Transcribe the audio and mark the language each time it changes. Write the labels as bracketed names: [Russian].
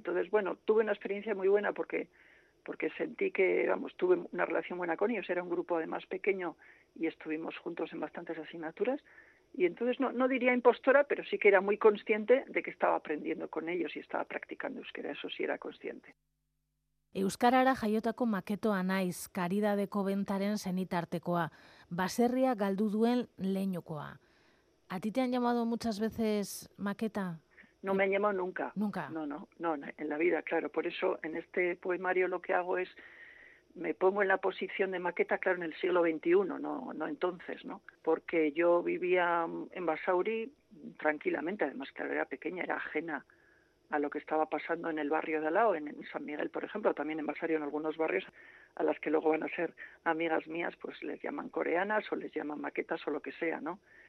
[Spanish] Entonces, bueno, tuve una experiencia muy buena porque sentí que, vamos, tuve una relación buena con ellos. Era un grupo además pequeño y estuvimos juntos en bastantes asignaturas. Y entonces no diría impostora, pero sí que era muy consciente de que estaba aprendiendo con ellos y estaba practicando euskera, eso sí era consciente. [Basque] Euskarara jaiotako maketoa naiz, karidadeko bentaren senitartekoa, baserria galdu duen leinukoa. [Spanish] ¿A ti te han llamado muchas veces maqueta? No me han llamado nunca. ¿Nunca? No, en la vida, claro. Por eso en este poemario lo que hago es me pongo en la posición de maqueta, claro, en el siglo XXI, no entonces, ¿no? Porque yo vivía en Basauri tranquilamente, además, claro, era pequeña, era ajena a lo que estaba pasando en el barrio de al lado, en San Miguel, por ejemplo, también en Basauri, en algunos barrios, a las que luego van a ser amigas mías, pues les llaman coreanas o les llaman maquetas o lo que sea, ¿no?